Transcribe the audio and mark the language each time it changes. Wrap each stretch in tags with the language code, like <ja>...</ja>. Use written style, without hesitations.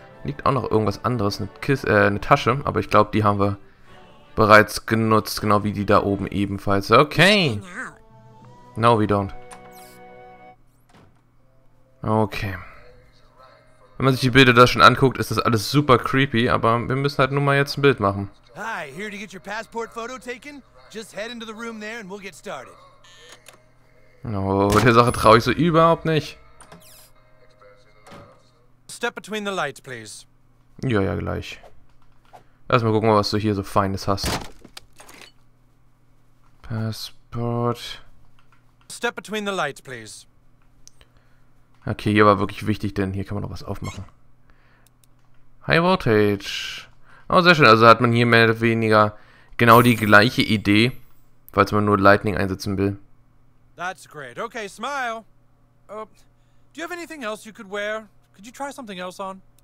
<de>Liegt auch noch irgendwas anderes, eine Tasche, aber ich glaube, die haben wir bereits genutzt, genau wie die da oben ebenfalls. Okay.</de> <en>No, we don't.</en> <de>Okay. Wenn man sich die Bilder da schon anguckt, ist das alles super creepy, aber wir müssen halt nun mal jetzt ein Bild machen. Hi, hier, um dein Passport-Foto zu nehmen?</de> <en>Just head into the room there and we'll get started.</en> <de>Oh, der Sache traue ich so überhaupt nicht.</de> <en>Step between the lights, please.</en> <de>Ja, ja, gleich. Erstmal gucken wir, was du hier so Feines hast.</de> <en>Passport. Step between the lights, please.</en> <de>Okay, hier war wirklich wichtig, denn hier kann man noch was aufmachen. High Voltage. Oh, sehr schön. Also hat man hier mehr oder weniger genau die gleiche Idee, falls man nur Lightning einsetzen will.</de> <en>That's great. Okay, smile. Do you have anything else you could wear? Could you try something else on?</en>